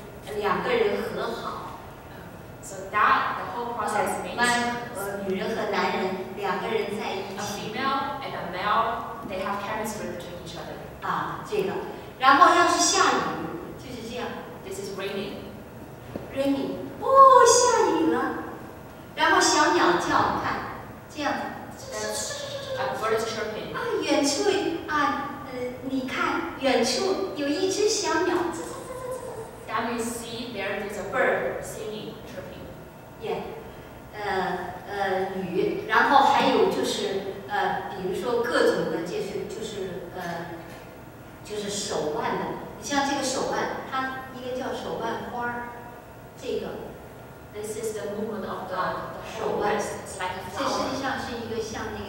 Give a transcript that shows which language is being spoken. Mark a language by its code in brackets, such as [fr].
[zh] 然后呢，这个手势呢有各种的表演。你比如说哈，说你和他两个人在一起有点意思，这就是表示两个人和好。 [en] So that the whole process means [zh] 女人和男人两个人在一起。 [en] A female and a male, they have chemistry between each other. [zh] 啊，这个。然后要是下雨，就是这样。 [en] This is raining. Raining. [zh] 哦，下雨了，然后小鸟叫，看，这样，啊，远处啊，你看，远处有一只小鸟， [en] That means see there is a bird singing, chirping. [zh] Yeah, 雨，然后还有就是，比如说各种的，就是手腕的，你像这个手腕，它一个叫手腕花，这个。 [en] This is the movement of the whole wrist, it's like a flower.